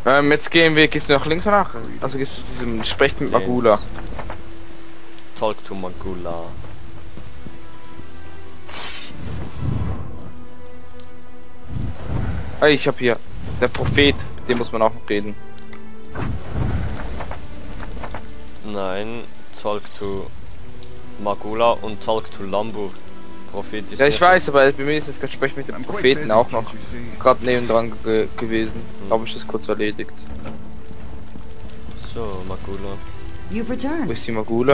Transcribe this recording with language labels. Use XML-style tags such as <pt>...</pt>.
<de>Jetzt gehen wir, gehst du nach links oder nach? Also gehst du zu diesem Sprecht mit Magula.</de> <en>Talk to Magula.</en> <de>Hey, ich hab hier der Prophet, mit dem muss man auch reden.</de> <en>Nein, talk to Magula und talk to Lambu.</en> <de>Prophet ist ja, ich weiß, aber bei mir ist es gerade sprechen mit dem Propheten auch noch gerade nebendran gewesen. Hm. Habe ich das kurz erledigt. So, Magula. You've returned. Wo ist die Magula?</de>